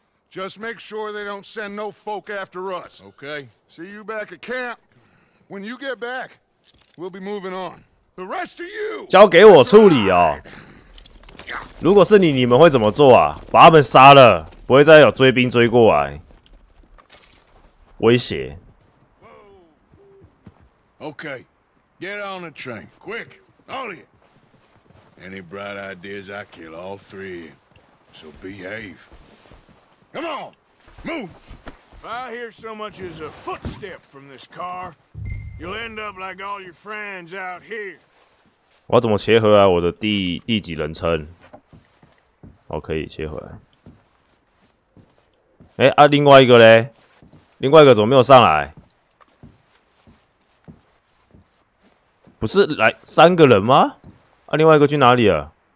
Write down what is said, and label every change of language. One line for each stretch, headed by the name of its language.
English: Just make sure they don't send no folk after us. Okay. See you back at camp. When you get back, We'll be moving on. The rest of you.
Chinese: 交给我处理哦。如果是你，你们会怎么做啊？把他们杀了，不会再有追兵追过来威胁。
English: Okay, get on the train, quick, all of you. Any bright ideas, I kill all three. So behave. Come on, move. If I hear so much as a footstep from this car, you'll end up like all your friends out here.
Chinese: 我要怎么切回来我的第几人称？好，可以切回来。哎啊，另外一个嘞？另外一个怎么没有上来？不是来三个人吗？啊，另外一个去哪里了？